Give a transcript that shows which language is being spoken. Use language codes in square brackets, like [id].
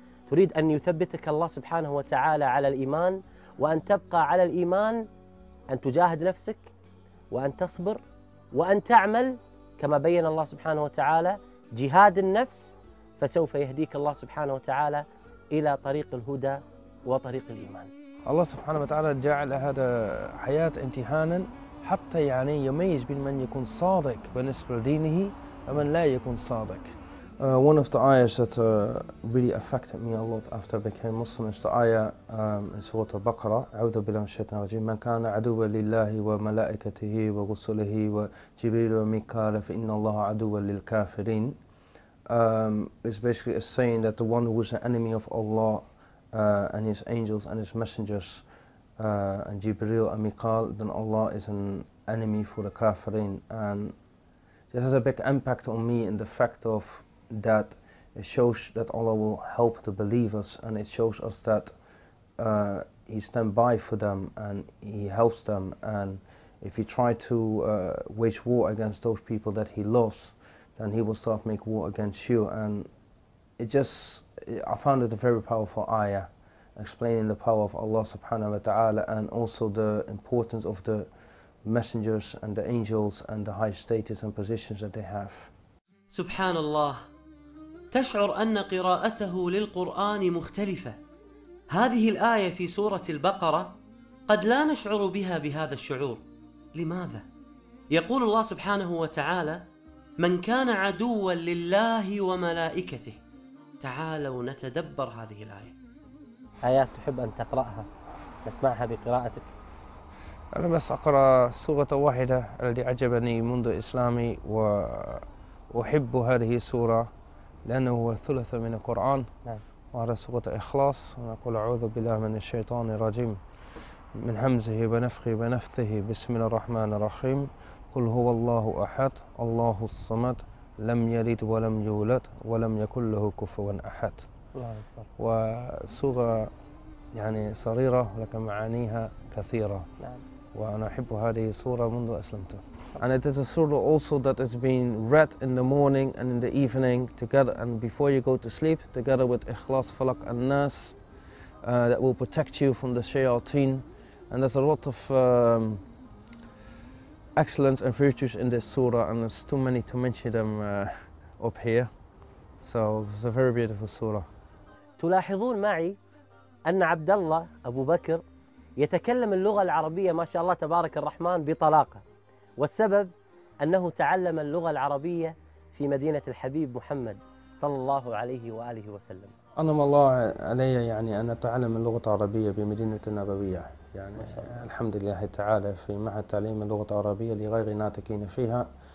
[ar] تريد أن يثبتك الله سبحانه وتعالى على الإيمان وأن تبقى على الإيمان، أن تجاهد نفسك وأن تصبر وأن تعمل كما بيّن الله سبحانه وتعالى جهاد النفس، فسوف يهديك الله سبحانه وتعالى إلى طريق الهدى وطريق الإيمان. الله سبحانه وتعالى جعل هذا حياة امتحانا حتى يعني يميز بين من يكون صادق بالنسبة لدينه ومن لا يكون صادق. [en] One of the ayahs that really affected me a lot after I became Muslim is the ayah in Surah Al-Baqarah. [ar] أعوذ بالله من الشيطان الرجيم. من كان عدوا لله وملائكته ورسله وجبريل وميكائيل فإن الله عدو للكافرين. [en] It's basically a saying that the one who is an enemy of Allah and His angels and His messengers and Jibril and Mikael, then Allah is an enemy for the kafirin. And this has a big impact on me in the fact of that it shows that Allah will help the believers, and it shows us that He stands by for them and He helps them. And if you try to wage war against those people that He loves, then He will start make war against you. And it just, I found it a very powerful ayah, explaining the power of Allah subhanahu wa ta'ala and also the importance of the messengers and the angels and the high status and positions that they have. [ar] Subhanallah, تشعر أن قراءته للقرآن مختلفة. هذه الآية في سورة البقرة قد لا نشعر بها بهذا الشعور، لماذا؟ يقول الله سبحانه وتعالى من كان عدوا لله وملائكته. تعالوا نتدبر هذه الآية. آيات تحب أن تقرأها نسمعها بقراءتك؟ أنا بس أقرأ سورة واحدة التي عجبني منذ إسلامي، وأحب هذه السورة لأنه هو ثلث من القرآن. نعم. وهذا سورة إخلاص، ونقول أعوذ بالله من الشيطان الرجيم، من همزه بنفخه بنفثه، بسم الله الرحمن الرحيم. قل هو الله أحد الله الصمد لم يلد ولم يولد ولم يكن له كفوا أحد. وصورة يعني صغيرة لكن معانيها كثيرة. وأنا أحب هذه الصورة منذ أسلمت. [en] And it is a surah also that is being read in the morning and in the evening together, and before you go to sleep, together with Ikhlas, Falak and Nas, that will protect you from the shayateen. And there's a lot of excellence and virtues in this surah, and there's too many to mention them up here. So it's a very beautiful surah. [ar] تلاحظون معي أن عبد الله أبو بكر يتكلم اللغة العربية ما شاء الله تبارك الرحمن بطلاقة، والسبب أنه تعلم اللغة العربية في مدينة الحبيب محمد صلى الله عليه وآله وسلم. أنعم الله علي يعني أن أتعلم اللغة العربية بمدينة النبوية، يعني الحمد لله تعالى في معهد تعليم اللغة العربية لغير ناطقين فيها.